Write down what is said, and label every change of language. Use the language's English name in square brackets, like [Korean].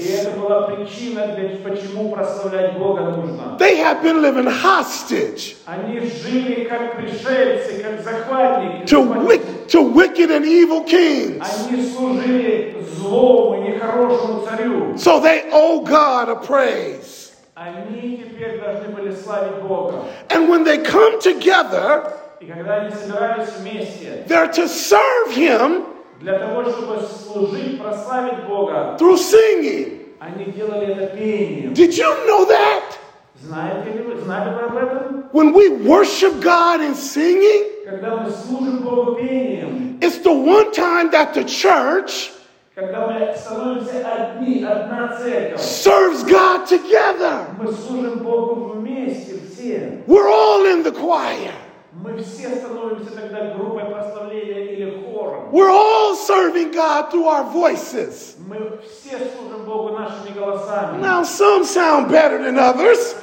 [Russian] И это была причина, почему прославлять Бога нужно. [English] They have been living hostage. [Russian] Они жили как пришельцы, как захватники. [English] To wicked and evil kings. [Russian] Они служили злому и нехорошему царю. [English] So they owe God a praise. [Russian] Они теперь должны были славить Бога. [English] And when they come together, [Russian] и когда они собирались вместе, [English] they're to serve him. [Russian] Для того, чтобы служить, прославить Бога. [English] Through singing. [Russian] Они делали это пением. [English] Did you know that? [Russian] Знаете ли вы об этом? [English] When we worship God in singing. [Russian] Когда мы служим Богу пением. [English] It's the one time that the church. [Russian] Когда мы становимся одни, одна церковь. [English] Serves God together. [Russian] Мы служим Богу вместе, все. [English] We're all in the choir. [Russian] Мы все становимся тогда группой прославления или хором. [English] We're all serving God through our voices. [Russian] Мы все служим Богу нашими голосами. [English] Now some sound better than others.